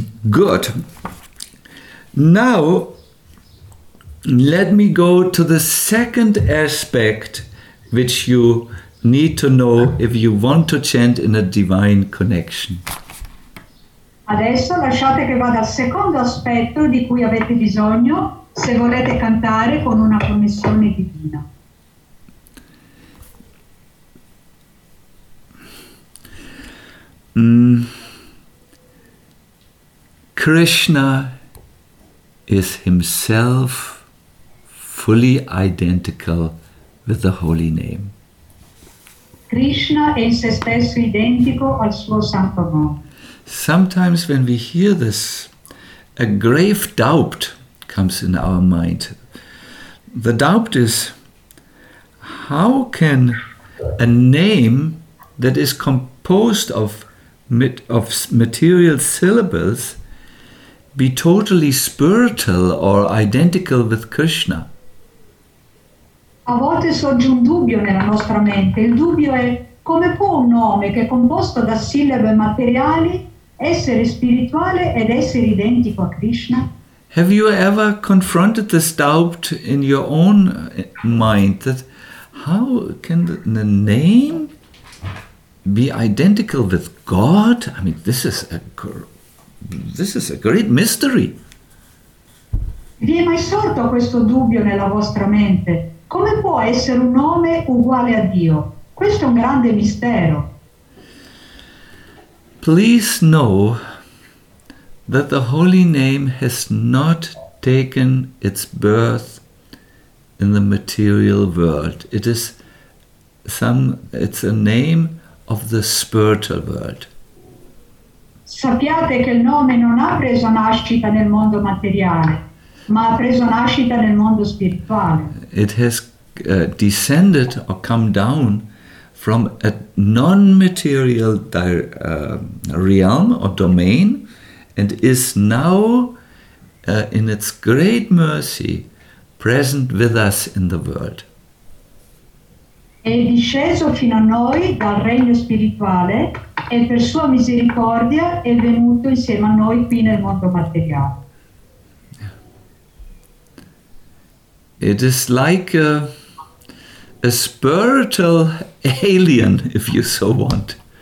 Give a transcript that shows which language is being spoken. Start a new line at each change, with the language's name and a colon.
English: Good. Now, let me go to the second aspect which you need to know if you want to chant in a divine connection.
Italian: Adesso lasciate che vada al secondo aspetto di cui avete bisogno se volete cantare con una connessione divina.
English: Krishna is himself fully identical with the holy name.
Italian: Krishna è in se stesso identico al suo santo nome.
English: Sometimes when we hear this, a grave doubt comes in our mind. The doubt is, how can a name that is composed of material syllables be totally spiritual or identical with Krishna?
Italian: A volte sorge un dubbio nella nostra mente. Il dubbio è, come può un nome che è composto da sillabe materiali essere spirituale ed essere identico a Krishna?
English: Have you ever confronted this doubt in your own mind, that how can the name be identical with God? I mean, this is a great mystery.
Italian: Vi è mai sorto questo dubbio nella vostra mente? Come può essere un nome uguale a Dio? Questo è un grande mistero.
English: Please know that the holy name has not taken its birth in the material world. It's a name of the spiritual world.
Italian: Sappiate che il nome non ha preso nascita nel mondo materiale, ma ha preso nascita nel mondo spirituale.
English: It has descended or come down from a non-material realm or domain, and is now, in its great mercy, present with us in the world.
Italian: È disceso fino a noi dal regno spirituale e per sua misericordia è venuto insieme a noi qui nel mondo materiale.
English: It is like a spiritual alien, if you so want.